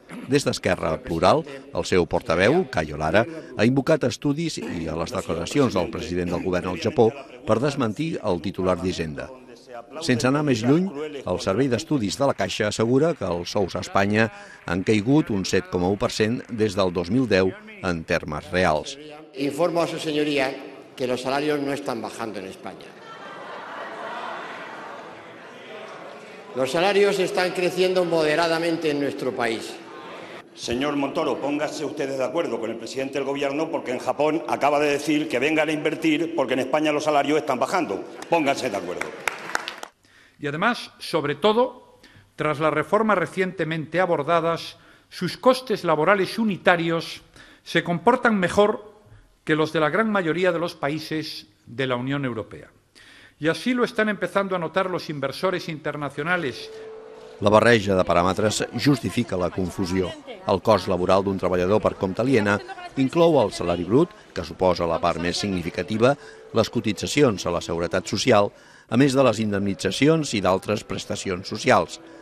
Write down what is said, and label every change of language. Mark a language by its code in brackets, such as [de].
[ca] Des d'Esquerra Plural, el seu portaveu, Cayo Lara, ha invocat estudis i a les declaracions del president del govern al Japó per desmentir el titular d'Hisenda. Sense anar més lluny, el Servei d'Estudis de la Caixa assegura que els sous a Espanya han caigut un 7,1% des del 2010 en termes reals. [es] Informo a su señoría que los salarios no están bajando en España. Los salarios están creciendo moderadamente en nuestro país. Señor Montoro, póngase ustedes de acuerdo con el presidente del gobierno porque en Japón acaba de decir que vengan a invertir porque en España los salarios están bajando. Pónganse de acuerdo. Y además, sobre todo, tras las reformas recientemente abordadas, sus costes laborales unitarios se comportan mejor que los de la gran mayoría de los países de la Unión Europea. Y así lo están empezando a notar los inversores internacionales. [ca] La barreja de paràmetres justifica la confusió. El cost laboral d'un treballador per compte aliena inclou el salari brut, que suposa la part més significativa, les cotitzacions a la Seguretat Social, a més de les indemnitzacions i d'altres prestacions socials.